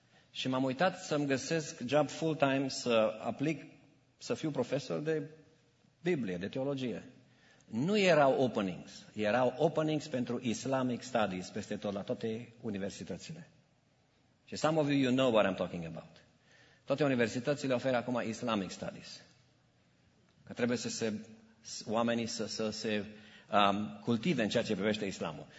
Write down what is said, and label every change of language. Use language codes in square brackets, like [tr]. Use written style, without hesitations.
[ro] Și m-am uitat să-mi găsesc job full-time, să aplic, să fiu profesor de Biblie, de teologie. Nu erau openings, erau openings pentru Islamic studies peste tot, la toate universitățile. [en] Și some of you know what I'm talking about. [ro] Toate universitățile oferă acum Islamic studies. Că trebuie să se, oamenii să se cultive în ceea ce privește Islamul.